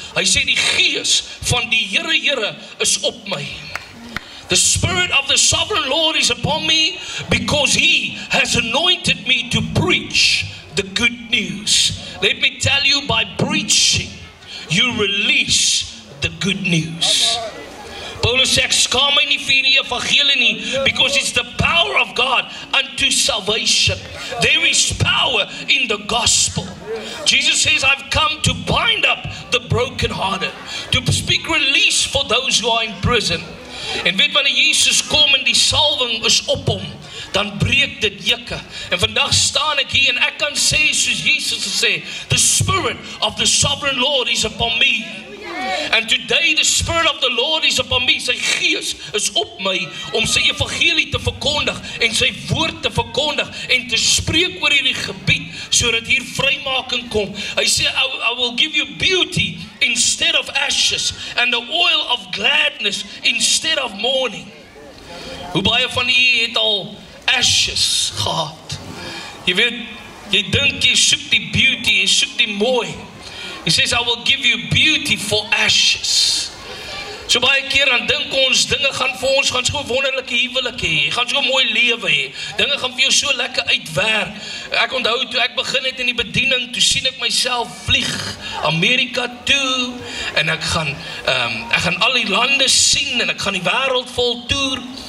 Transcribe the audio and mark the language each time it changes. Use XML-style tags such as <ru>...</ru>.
<af>Hy sê die gees van die Here, Here is op my.</af> <en>"The spirit of the sovereign Lord is upon me because he has anointed me to preach the good news." Let me tell you, by preaching, you release the good news.</en> <af>Paulus sê, skaam my nie vir die evangelie nie,</af> <en>because it's the power of God unto salvation. There is power in the gospel. Jesus says, "I've come to bind up the brokenhearted, to speak release for those who are in prison."</en> <af>En weet, wanneer Jesus kom en die salwing is op hom, dan breek dit juke. En vandag staan ek hier en ek kan sê, soos Jesus sê,</af> <en>"The spirit of the sovereign Lord is upon me." And today the spirit of the Lord is upon me.</en> <af>Sy gees is op my om sy evangelie te verkondig en sy woord te verkondig en te spreek oor hierdie gebied sodat hier vrymaking kom. Hy sê,</af> <en>"I will give you beauty instead of ashes and the oil of gladness instead of mourning."</en> <af>Hoe baie van u het al ashes gehad? Jy weet, jy dink jy soek die beauty, jy soek die mooi.</af> <en>He says, "I will give you beauty for ashes."</en> <af>So baie keer dan dink ons, dinge gaan vir ons, gaan so wonderlike huwelik hê, gaan so mooi lewe hê, dinge gaan vir jou so lekker uitwerk. Ek onthou toe ek begin het in die bediening, toe sien ek myself vlieg Amerika toe, en ek gaan al die lande sien, en ek gaan die wêreld vol toer.</af>